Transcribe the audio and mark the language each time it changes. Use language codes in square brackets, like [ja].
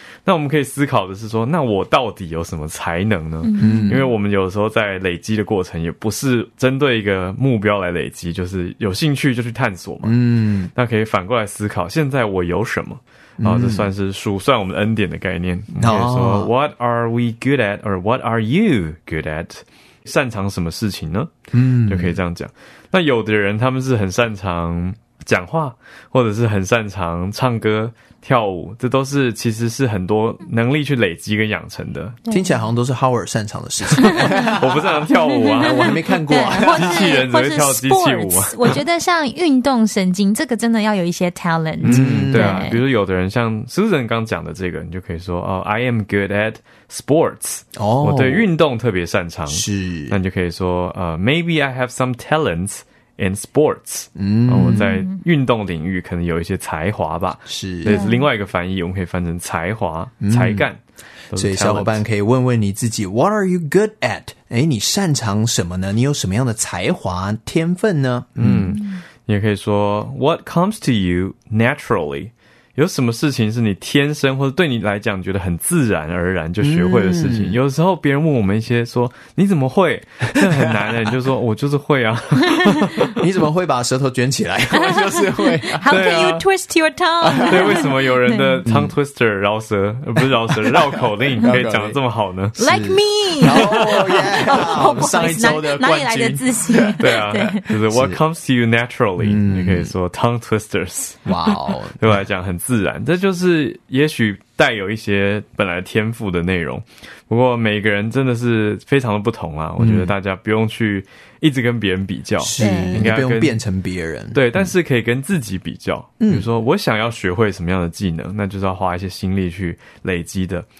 [zh] 那我们可以思考的是说，那我到底有什么才能呢？因为我们有时候在累积的过程也不是针对一个目标来累积，就是有兴趣就去探索嘛。那可以反过来思考，现在我有什么，这算是数算我们恩典的概念。 [en] 可以说 What are we good at or what are you good at， [zh] 擅长什么事情呢？就可以这样讲。那有的人他们是很擅长讲话，或者是很擅长唱歌跳舞，这都是其实是很多能力去累积跟养成的。听起来好像都是 Howard 擅长的事情。我不擅长跳舞啊，我还没看过啊。机器人只会跳机器舞。 Sports， 我觉得像运动神经这个真的要有一些 talent。对啊，比如有的人像 Susan 刚讲的这个，你就可以说哦 ， [en] I am good at sports。 [zh] 我对运动特别擅长。是，那你就可以说 [en] maybe I have some talents。 and sports，嗯， [zh] 我在运动领域可能有一些才华吧，是，所以是另外一个翻译，我们可以翻成才华、才干。所以小伙伴可以问问你自己 [en] What are you good at？ [zh] 诶，你擅长什么呢？你有什么样的才华天分呢？你也可以说 [en] What comes to you naturally？ [zh] 有什么事情是你天生或者对你来讲觉得很自然而然就学会的事情？有时候别人问我们一些说你怎么会，这很难的，你就说我就是会啊。你怎么会把舌头卷起来？我就是会、 [en] 啊。How can you twist your tongue？ [zh] 对，为什么有人的 tongue twister 绕舌，不是绕舌，绕口令可以讲得这么好呢 [en] ？Like me。 Oh, yeah, [zh] 上一周的冠军，哪里来的自信？对啊，就是 [en] What comes to you naturally？ [zh] 你可以说 [en] tongue twisters。哇哦， [zh] 对我来讲很自然，这就是也许带有一些本来天赋的内容。不过每个人真的是非常的不同啊，我觉得大家不用去一直跟别人比较，是应该不用变成别人，对，但是可以跟自己比较。比如说我想要学会什么样的技能，那就是要花一些心力去累积的。